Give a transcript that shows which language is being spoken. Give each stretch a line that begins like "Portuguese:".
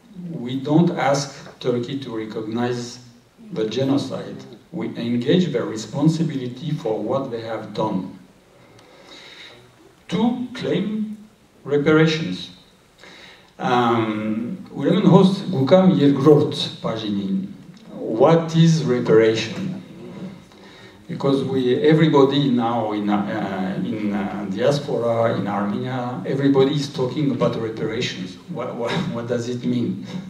English: We don't ask Turkey to recognize the genocide. We engage their responsibility for what they have done. To claim reparations.
Armenian: Ուրեմն հոս գուկամ երկրորդ բաժինին.
English: What is reparation? Because everybody now in diaspora in Armenia, everybody is talking about reparations. What does it mean?